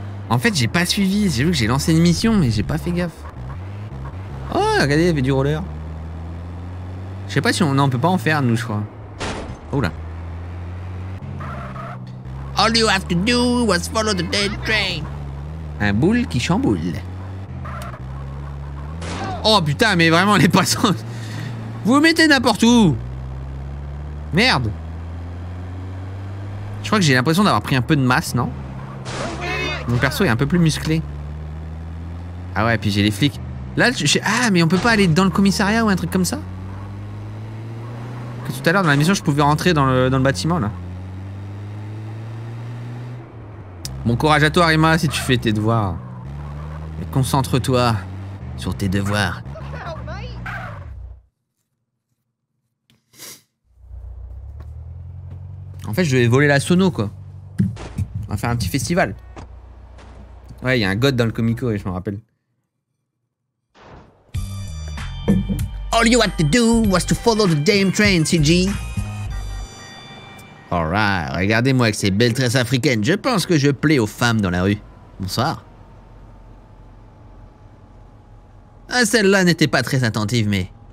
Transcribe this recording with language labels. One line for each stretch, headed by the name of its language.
French: En fait, j'ai pas suivi. J'ai vu que j'ai lancé une mission, mais j'ai pas fait gaffe. Oh, regardez, il y avait du roller. Je sais pas si on... Non, on peut pas en faire, nous, je crois. Oula.
English: All you have to do was follow the dead train.
French: Un boule qui chamboule. Oh, putain, mais vraiment, les passants... Vous vous mettez n'importe où. Merde. Je crois que j'ai l'impression d'avoir pris un peu de masse, non? Mon perso est un peu plus musclé. Ah ouais, puis j'ai les flics. Là, je... Ah, mais on peut pas aller dans le commissariat ou un truc comme ça? Tout à l'heure, dans la mission, je pouvais rentrer dans le bâtiment, là. Bon courage à toi, Rima, si tu fais tes devoirs. Mais concentre-toi sur tes devoirs. En fait, je vais voler la sono, quoi. On va faire un petit festival. Ouais, il y a un god dans le comico, et je m'en rappelle.
English: All you had to do was to follow the damn train, CG.
French: Alright, regardez-moi avec ces belles tresses africaines. Je pense que je plais aux femmes dans la rue. Bonsoir. Ah, celle-là n'était pas très attentive, mais...